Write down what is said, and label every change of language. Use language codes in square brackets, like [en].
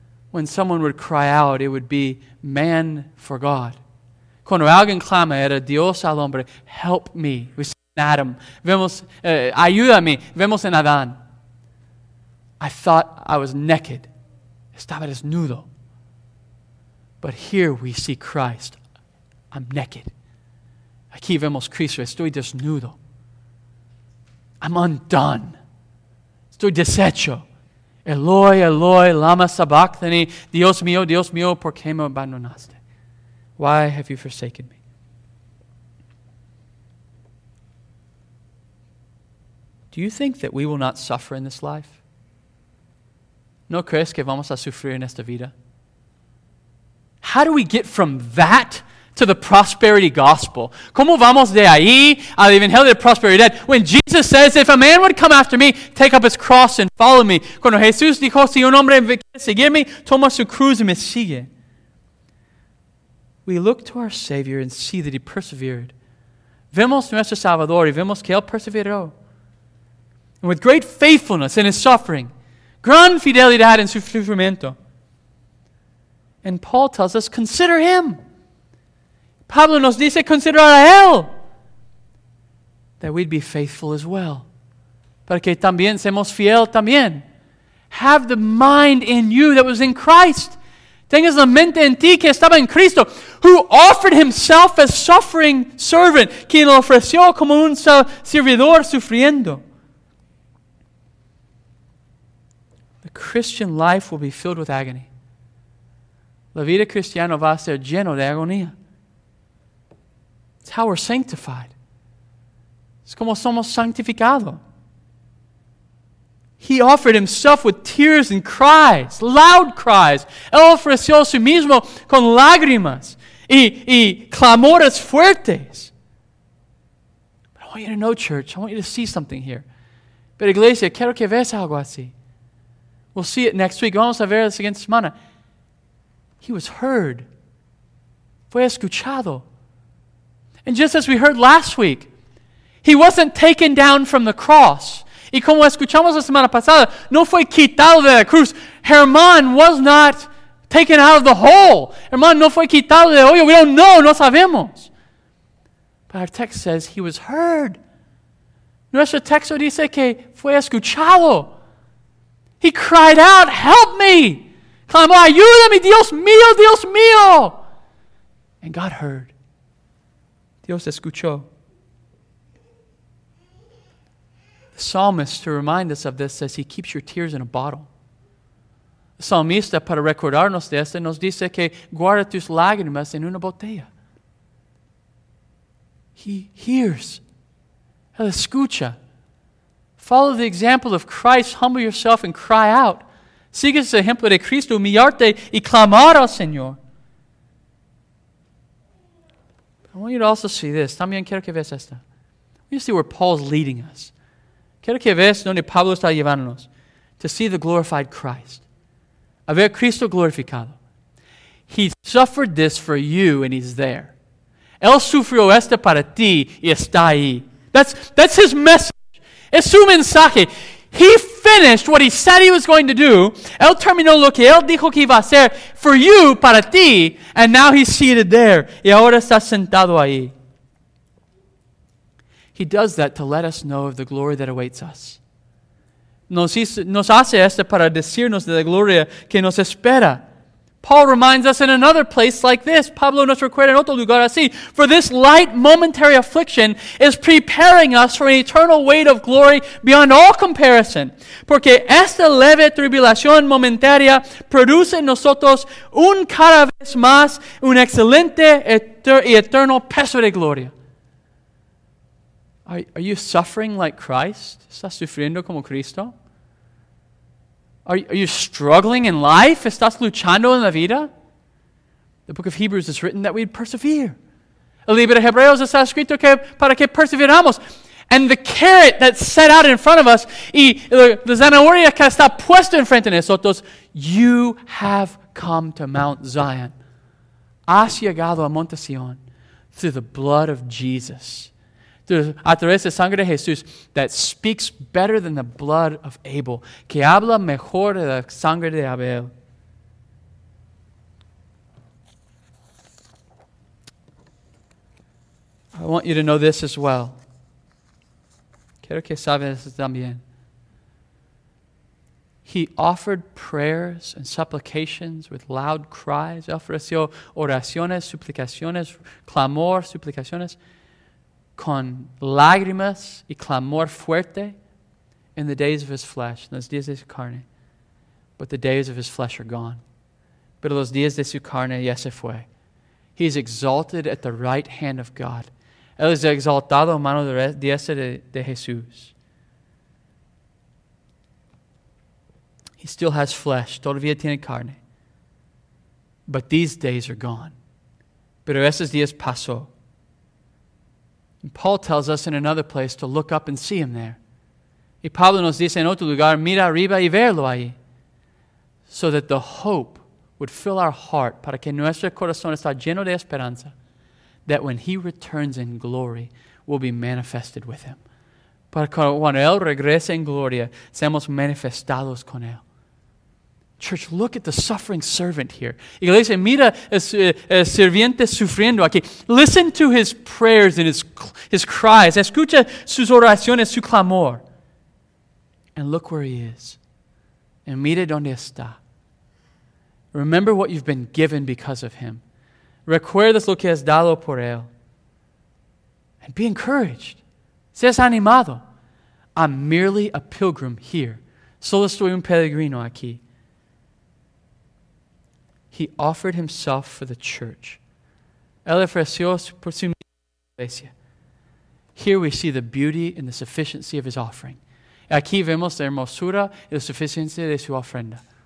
[en] When someone would cry out, it would be man for God. [es] Cuando alguien clama, era Dios al hombre, [en] help me. [es] Adam, vemos, ayúdame, vemos en Adán. [en] I thought I was naked. [es] Estaba desnudo. [en] But here we see Christ. I'm naked. [es] Aquí vemos Cristo. Estoy desnudo. [en] I'm undone. [es] Estoy deshecho. [arc] Eloi, Eloi, lama sabachthani. [es] Dios mío, ¿por qué me abandonaste? [en] Why have you forsaken me? Do you think that we will not suffer in this life? [es] ¿No crees que vamos a sufrir en esta vida? [en] How do we get from that to the prosperity gospel? [es] ¿Cómo vamos de ahí al evangelio de prosperidad? [en] When Jesus says, if a man would come after me, take up his cross and follow me. [es] Cuando Jesús dijo, si un hombre quiere seguirme, toma su cruz y me sigue. [en] We look to our Savior and see that He persevered. [es] Vemos nuestro Salvador y vemos que Él perseveró. [en] And with great faithfulness in His suffering, [es] gran fidelidad en su sufrimiento. [en] And Paul tells us, consider Him. [es] Pablo nos dice, considera a Él. [en] That we'd be faithful as well. [es] Para que también seamos fiel también. [en] Have the mind in you that was in Christ. [es] Tengas la mente en ti que estaba en Cristo, [en] who offered himself as suffering servant, [es] quien lo ofreció como un servidor sufriendo. [en] The Christian life will be filled with agony. [es] La vida cristiana va a ser lleno de agonía. [en] It's how we're sanctified. [es] Es como somos santificados. [en] He offered himself with tears and cries, loud cries. [es] Él ofreció a sí mismo con lágrimas y clamores fuertes. [en] But I want you to know, church, I want you to see something here. [es] Pero iglesia, quiero que veas algo así. [en] We'll see it next week. [es] Vamos a ver la siguiente semana. [en] He was heard. [es] Fue escuchado. [en] And just as we heard last week, he wasn't taken down from the cross. [es] Y como escuchamos la semana pasada, no fue quitado de la cruz. [en] Herman was not taken out of the hole. [es] Herman no fue quitado de hoyo. [en] We don't know. [es] No sabemos. [en] But our text says he was heard. [es] Nuestro texto dice que fue escuchado. [en] He cried out, help me. [es] Clamó, ayúdame, Dios mío, Dios mío. [en] And God heard. [es] Dios escuchó. [en] Psalmist, to remind us of this, says he keeps your tears in a bottle. [es] Psalmista, para recordarnos de esto, nos dice que guarda tus lágrimas en una botella. [en] He hears. [es] Él escucha. [en] Follow the example of Christ. Humble yourself and cry out. [es] Sigue el ejemplo de Cristo. Humillarte y clamar al Señor. [en] I want you to also see this. [es] También quiero que veas esto. [en] You see where Paul's leading us. [es] Quiero que veas donde Pablo está llevándonos. [en] To see the glorified Christ. [es] A ver Cristo glorificado. [en] He suffered this for you and he's there. [es] Él sufrió esto para ti y está ahí. [en] That's his message. [es] Es su mensaje. [en] He finished what he said he was going to do. [es] Él terminó lo que él dijo que iba a hacer [en] for you, [es] para ti. [en] And now he's seated there. [es] Y ahora está sentado ahí. [en] He does that to let us know of the glory that awaits us. [es] Nos hace esto para decirnos de la gloria que nos espera. [en] Paul reminds us in another place like this. Pablo nos recuerda en otro lugar así. For this light momentary affliction is preparing us for an eternal weight of glory beyond all comparison. [es] Porque esta leve tribulación momentaria produce en nosotros un cada vez más un excelente y eterno peso de gloria. [en] Are you suffering like Christ? [es] ¿Estás sufriendo como Cristo? [en] Are you struggling in life? [es] ¿Estás luchando en la vida? [en] The book of Hebrews is written that we'd persevere. [es] El libro de Hebreos está escrito que para que perseveramos. [en] And the carrot that's set out in front of us, [es] y la zanahoria que está puesta en frente de nosotros, [en] you have come to Mount Zion. [es] Has llegado a Monte Sion [en] through the blood of Jesus. [es] A través de sangre de Jesús [en] that speaks better than the blood of Abel, [es] que habla mejor de la sangre de Abel. [en] I want you to know this as well. [es] Quiero que sabes también. [en] He offered prayers and supplications with loud cries. [es] Ofreció oraciones, suplicaciones, clamor, suplicaciones. Con lágrimas y clamor fuerte [en] in the days of his flesh, [es] en los días de su carne. [en] But the days of his flesh are gone. [es] Pero los días de su carne ya se fue. [en] He is exalted at the right hand of God. [es] Él es exaltado a mano derecha de Jesús. [en] He still has flesh. [es] Todavía tiene carne. [en] But these days are gone. [es] Pero esos días pasó. [en] And Paul tells us in another place to look up and see him there. [es] Y Pablo nos dice en otro lugar, mira arriba y verlo ahí. [en] So that the hope would fill our heart, [es] para que nuestro corazón está lleno de esperanza, [en] that when he returns in glory, we'll be manifested with him. [es] Para que cuando él regrese en gloria, seamos manifestados con él. [en] Church, look at the suffering servant here. [es] Iglesia, mira el sirviente sufriendo aquí. [en] Listen to his prayers and his cries. [es] Escucha sus oraciones, su clamor. [en] And look where he is. And [es] mira dónde está. [en] Remember what you've been given because of him. [es] Recuerdas lo que has dado por él. [en] And be encouraged. [es] Seas animado. [en] I'm merely a pilgrim here. [es] Solo estoy un peregrino aquí. [en] He offered himself for the church. [es] Él ofreció por su iglesia. [en] Here we see the beauty and the sufficiency of his offering. [es] Aquí vemos la hermosura y la suficiencia de su ofrenda.